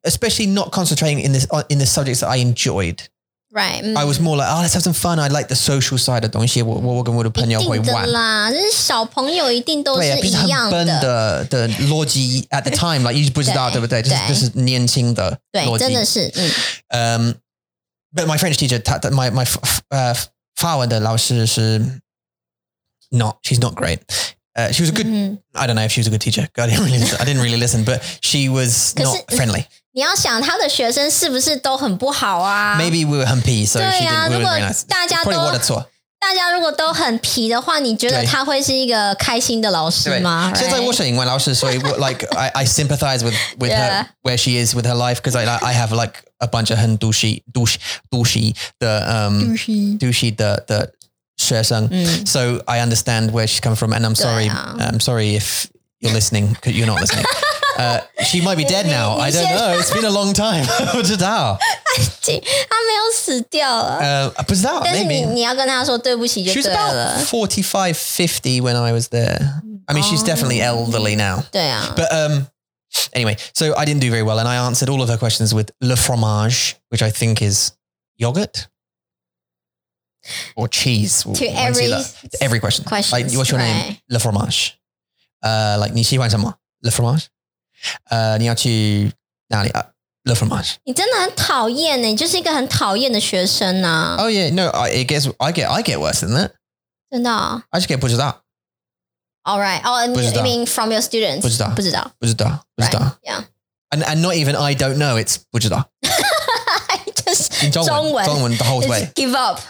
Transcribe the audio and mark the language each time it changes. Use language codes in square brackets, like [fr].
[en] Especially not concentrating in the subjects that I enjoyed. Right. I was more like, oh, let's have some fun. I like the social side of [zh] 东西，我跟我的朋友会玩。一定的啦，这是小朋友一定都是一样的。对啊，很笨的逻辑 [en] at the time, like you just [zh] 不知道，对不对？就是年轻的逻辑，真的是。 [en] But my French teacher, my Fawen [zh] 的老师是 [en] not, she's not great. She was a good, I don't know if she was a good teacher. God, I didn't really listen, but she was not friendly. [zh] 你要想他的学生是不是都很不好啊 [en] Maybe we were [zh] 很皮 [en] so [zh] 对啊 [en] she didn't, [zh] 如果大家都 [en] probably [zh] 我的错大家如果都很皮的话你觉得他会是一个开心的老师吗对、现在我是英文老师所以 [en] like, I sympathize with、 [zh] yeah. [en] her, where she is with her life because I have like a bunch of [zh] 很 [en] douchey [zh] 的学生、 [en] mm. so I understand where she's coming from and I'm sorry、啊、 I'm sorry if you're listening because you're not listening she might be dead now. I don't know. It's been a long time. [zh] 不知道。她没有死掉了。不知道。但是你要跟她说对不起就对了。 [en] She was about 45, 50 when I was there. I mean, she's definitely elderly now. [zh] 对啊。 [en] But anyway, so I didn't do very well. And I answered all of her questions with le fromage, which I think is yogurt. Or cheese. To every question. Like, what's your name? Le fromage. Like, [zh] 你喜欢什么? [en] Le fromage? [zh] 你要去哪里啊 ？Le fromage，你真的很讨厌呢，你就是一个很讨厌的学生呐、啊。 [en] Oh yeah, no, I get worse than that. [zh] 真的、 [en] 哦、？I just get [zh] 不知道。 [en] All right, oh, you mean from your students? [zh] 不知道，不知道，不知道，不知道。 [en] Yeah, and not even I don't know. It's [zh] 不知道。 [en] Just 中文 the whole way. Give up.